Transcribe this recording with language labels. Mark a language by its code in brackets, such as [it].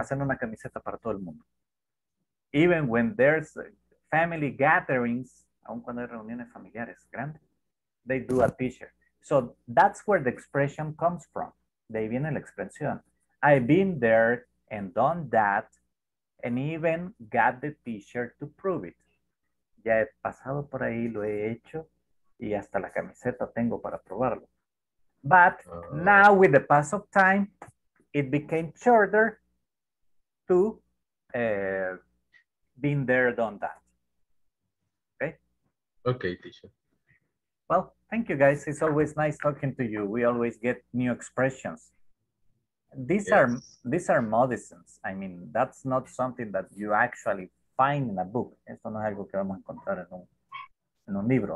[es] Hacen una camiseta para todo el mundo. [en] Even when there's family gatherings, [es] aun cuando hay reuniones familiares grandes, [en] they do a t-shirt. So that's where the expression comes from. [es] De ahí viene la expresión. [en] I've been there and done that and even got the t-shirt to prove it. [es] Ya he pasado por ahí, lo he hecho y hasta la camiseta tengo para probarlo. [en] But now with the pass of time, it became shorter to been there, done that. Okay? Okay, teacher. Well, thank you guys. It's always nice talking to you. We always get new expressions. These are medicines. I mean, that's not something that you actually find in a book. [es] Esto no es algo que vamos a encontrar en un libro.